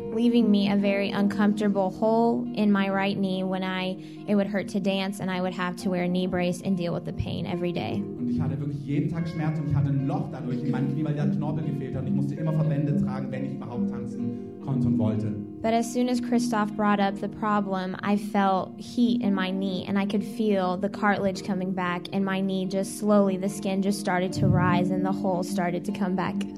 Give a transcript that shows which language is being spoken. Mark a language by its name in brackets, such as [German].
[English] Leaving me a very uncomfortable hole in my right knee when it would hurt to dance and I would have to wear a knee brace and deal with the pain every day. [German] Und ich hatte wirklich jeden Tag Schmerzen und ich hatte ein Loch dadurch in meinem Knie, weil der Knorpel gefehlt hat und ich musste immer Verbände tragen, wenn ich überhaupt tanzen konnte und wollte. [English] But as soon as Christoph brought up the problem, I felt heat in my knee and I could feel the cartilage coming back and my knee just slowly, the skin just started to rise and the hole started to come back.